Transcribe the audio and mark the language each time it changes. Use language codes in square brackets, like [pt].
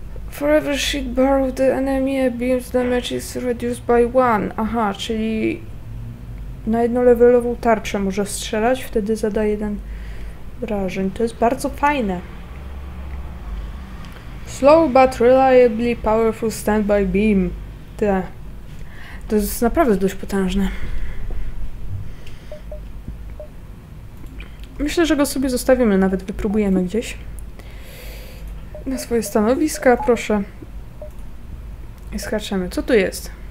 [en] Forever shield bar of the enemy beams damage is reduced by one. [pl] Aha, czyli na jedną levelową tarczę może strzelać, wtedy zada jeden rażeń. To jest bardzo fajne. [en] Slow but reliably powerful standby beam. [pl] Te. To jest naprawdę dość potężne. Myślę, że go sobie zostawimy, nawet wypróbujemy gdzieś. Na swoje stanowiska, proszę. I skaczemy. Co tu jest?